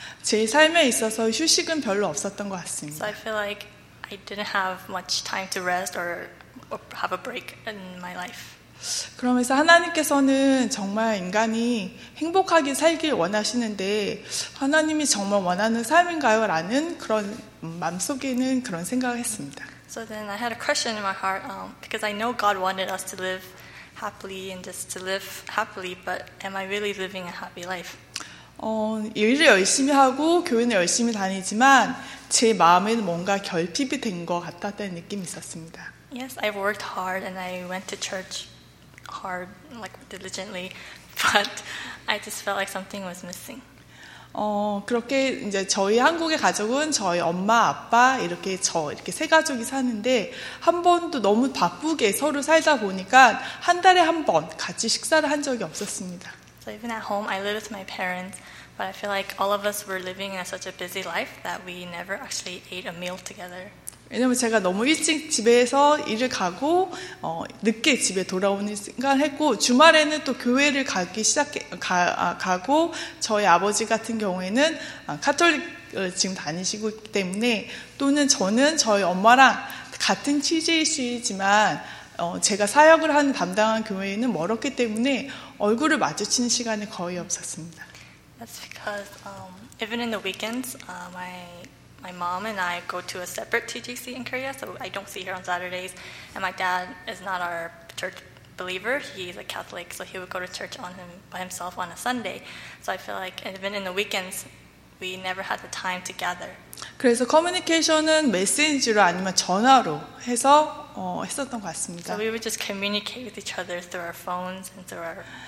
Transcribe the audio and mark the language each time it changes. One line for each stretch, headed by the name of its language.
Korean: 제 삶에 있어서 휴식은 별로 없었던 것 같습니다.
English: So I feel like I didn't have much time to rest or have a break in my life.
Korean: 그러면서 하나님께서는 정말 인간이 행복하게 살길 원하시는데 하나님이 정말 원하는 삶인가요? 라는 그런 마음속에는 그런 생각을 했습니다.
English: So then I had a question in my heart because I know God wanted us to live happily and just to live happily, but am I really living a happy life?
Korean: 일을 열심히 하고 교회는 열심히 다니지만 제 마음에는 뭔가 결핍이 된 것 같다는 느낌이 있었습니다.
English: Yes, I've worked hard and I went to church hard, like diligently, but I just felt like something was missing.
Korean: 그렇게 이제 저희 한국의 가족은 저희 엄마, 아빠 이렇게 저 이렇게 세 가족이 사는데 한 번도 너무 바쁘게 서로 살다 보니까 한 달에 한 번 같이 식사를 한 적이 없었습니다.
English: So even at home, I live with my parents, but I feel like all of us were living in such a busy life that we never actually ate a meal together.
Korean: 왜냐면 제가 너무 일찍 집에서 일을 가고 늦게 집에 돌아오는 시간을 했고 주말에는 또 교회를 가기 시작해 가고 저희 아버지 같은 경우에는 카톨릭을 지금 다니시고 있기 때문에 또는 저는 저희 엄마랑 같은 취지일 수 있지만 제가 사역을 하는 담당한 교회는 멀었기 때문에 얼굴을 마주치는 시간이 거의 없었습니다.
English: That's because even in the weekends my mom and I go to a separate TGC in Korea, so I don't see her on Saturdays. And my dad is not our church believer. He's a Catholic, so he would go to church by himself on a Sunday. So I feel like even in the weekends, we never had the time to gather.
Korean: 그래서 커뮤니케이션은 메신저로 아니면 전화로 해서 했었던 것 같습니다.
English: So we would just communicate with each other through our phones and through our